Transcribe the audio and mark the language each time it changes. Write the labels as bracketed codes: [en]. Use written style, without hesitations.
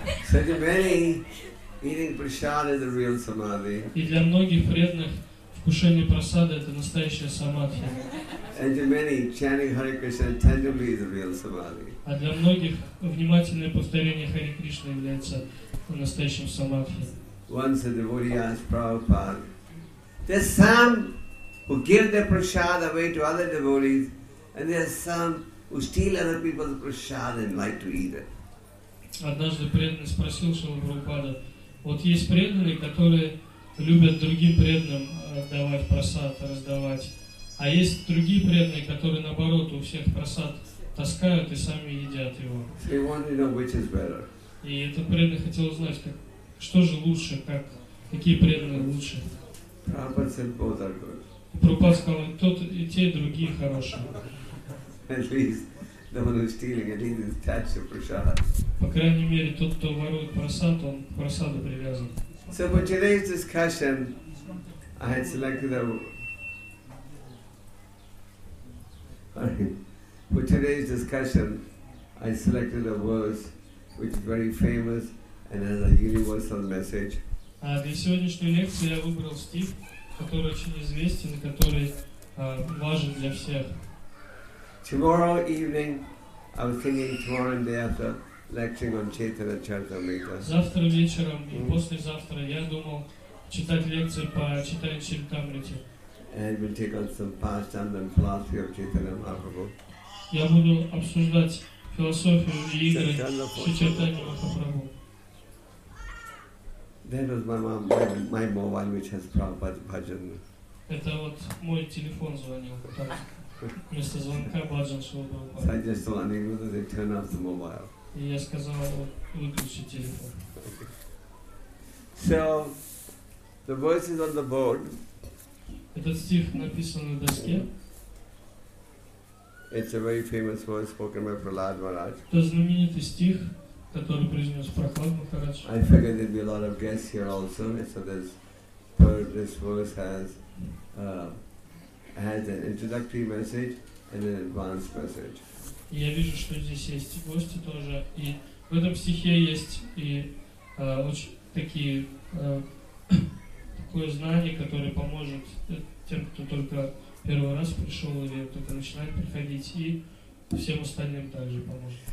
[en] So to many, eating prasad is a real samadhi. [ru] И для многих преданных вкушение просада – это настоящая самадхи. [en] And to many, chanting Hare Krishna tenderly is a real samadhi. [ru] А для многих внимательное повторение Хари Кришны является настоящим самадхи. [en] Once a devotee asked Prabhupada, "There's some who give their prasad away to other devotees, and there's some who steal other people's prasad and like to eat it." [ru] Однажды преданный спросил Шрилу Прабхупада: "Вот есть преданные, которые любят другим преданным давать прасад, раздавать, а есть другие преданные, которые наоборот у всех прасад таскают и сами едят его." [en] So he wanted to know which is better. [ru] И этот преданный хотел узнать, как, что же лучше, как, какие преданные лучше. [en] Prabhupada said both are good. [ru] Прабхупада сказал, тот и те, и другие хорошие. [en] At least the one who's stealing, at least attached to prasad. [ru] По крайней мере, тот, кто ворует прасад, он к прасаду привязан. [en] So for today's discussion, I had selected a... For today's discussion, I selected a verse which is very famous and has a universal message. [ru] Для сегодняшней лекции я выбрал стих, который очень известен, который важен для всех. [en] Tomorrow evening, I was thinking tomorrow and day after, lecturing on Chaitanya Charitamrita. [ru] Завтра вечером и послезавтра я думал читать лекции по Chaitanya Charitamrita. [en] And we'll take on some pastime and philosophy of Chaitanya Mahaprabhu. [ru] Я буду обсуждать философию и игры с очертанием Махапрабху. [en] That was my mom, my mobile, which has Prabhupada's bhajan. [ru] Это вот мой телефон звонил, вместо звонка бхаджан Шрила Прабхупада. [en] So I just told him, they turn off the mobile. [ru] И я сказал, выключи телефон. [en] So, the verse is on the board. [ru] Этот стих написан на доске. [en] It's a very famous verse spoken by Prahlad Maharaj. [ru] Это знаменитый стих, который произнес Прахлад Махарадж. [en] I figured there'd be a lot of guests here also, so this verse has an introductory message and an advanced message. [ru] Я вижу, что здесь есть гости тоже, и в этом стихе есть и очень такие такое знание, которое поможет тем, кто только первый раз пришел или только начинает приходить, и всем остальным также поможет.